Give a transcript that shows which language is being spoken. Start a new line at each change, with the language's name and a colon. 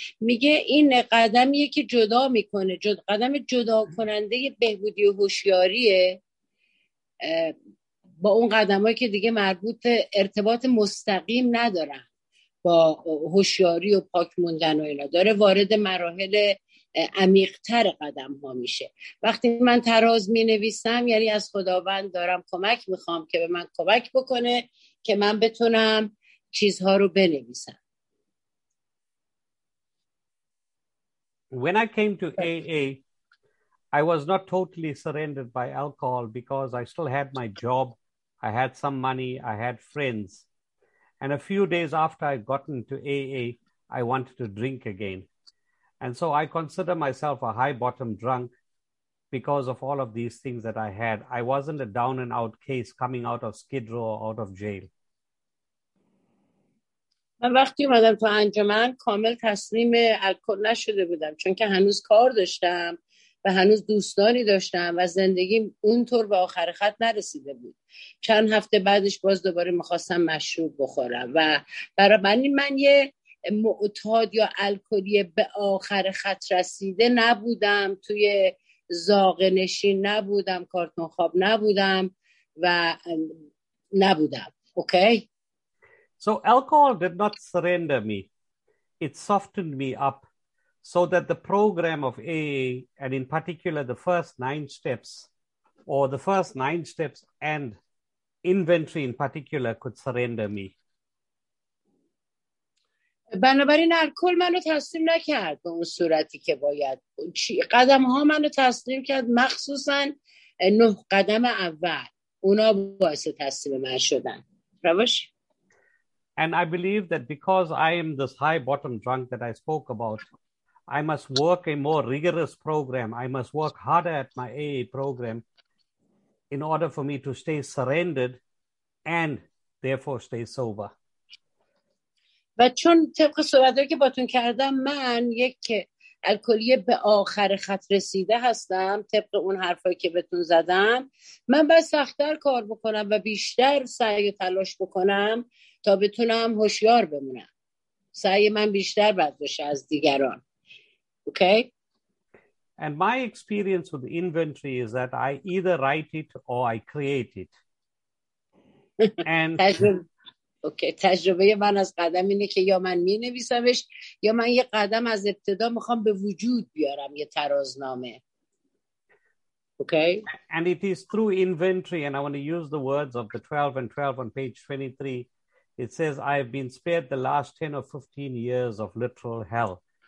Persian: میگه این قدمیه که جدا میکنه، قدم جدا کننده بهبودی و هوشیاریه با اون قدمایی که دیگه مربوط ارتباط مستقیم ندارن با هوشیاری و پاک موندن و اینا، داره وارد مراحل عمیق‌تر قدم ها میشه. وقتی من تراز می نویسم یعنی از خداوند دارم کمک میخوام که به من کمک بکنه که من بتونم چیزها رو بنویسم.
English: When I came to AA, I was not totally surrendered by alcohol because I still had my job, I had some money, I had friends. And a few days after I gotten to AA, I wanted to drink again. And so I consider myself a high bottom drunk because of all of these things that I had. I wasn't a down and out case coming out of Skid Row or out of jail.
Persian: من وقتی اومدم تو انجمن کامل تسلیم الکل نشده بودم، چون که هنوز کار داشتم و هنوز دوستانی داشتم و زندگیم اونطور به آخر خط نرسیده بود. چند هفته بعدش باز دوباره می‌خواستم مشروب بخورم و برای من یه معتاد یا الکلی به آخر خط رسیده نبودم، توی زاغ نشین نبودم، کارتون خواب نبودم و نبودم.
English: Okay. So alcohol did not surrender me. It softened me up so that the program of AA and in particular the first 9 steps or the first 9 steps and inventory in particular could surrender me.
Persian: بنابراین الکل منو تسلیم نکرد به اون صورتی که باید. قدم ها منو تسلیم کرد، مخصوصا 9 قدم اول، اونا باعث تسلیم من شدن. روش.
English: And I believe that because I am this high bottom drunk that I spoke about, I must work a more rigorous program. I must work harder at my AA program in order for me to stay surrendered and therefore stay sober.
Persian: و چون طبق صحبتهایی که باتون کردم من یک الکلی به آخر خط رسیده هستم، طبق اون حرفایی که بهتون زدم، من باید سخت‌تر کار بکنم و بیشتر سعی و تلاش بکنم تا بتونم هوشیار بمونم. سعی من بیشتر باید باشه از دیگران. اوکی.
English: And my experience with inventory is that I either write it or I create it. And
Persian: تجربه من از قدم اینه که یا من می نویسمش یا من یه قدم از ابتدا میخوام به وجود بیارم یه ترازنامه.
English: Okay. And it is through inventory, and I want to use the words of the 12 and 12 on page 23. It says, I have been spared the last 10 or 15 years of literal hell.